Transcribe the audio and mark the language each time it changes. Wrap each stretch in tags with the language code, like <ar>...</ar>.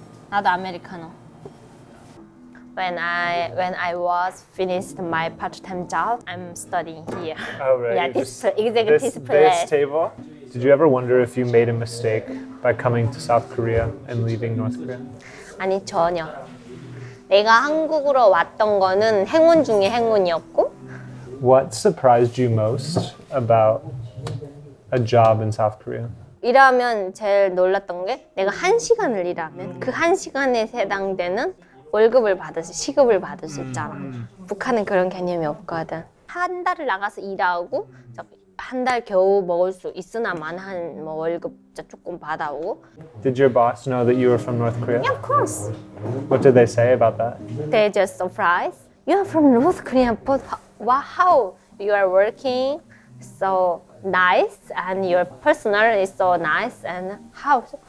<ko>나도 아메리카노.</ko> <en>When I was finished my part-time job, I'm studying here. Oh, right. Yeah, this executive place. This table? Did you ever wonder if you made a mistake by coming to South Korea and leaving North Korea?</en> <ko>아니, 전혀. 내가 한국으로 왔던 거는 행운 중에 행운이었고.</ko> <en>What surprised you most about a job in South Korea?</en> <ko>일하면 제일 놀랐던 게 내가 한 시간을 일하면 그 한 시간에 해당되는 월급을 받을 수, 시급을 받을 수 있잖아. 북한은 그런 개념이 없거든. 한 달을 나가서 일하고 한 달 겨우 먹을 수 있으나만 한 뭐 월급 조금 받아오고.</ko> <en>Did your boss know that you were from North Korea? Yeah, of course. What did they say about that? They just surprised. you are from North Korea, but how you are working so nice and your personality is so nice and how?</en>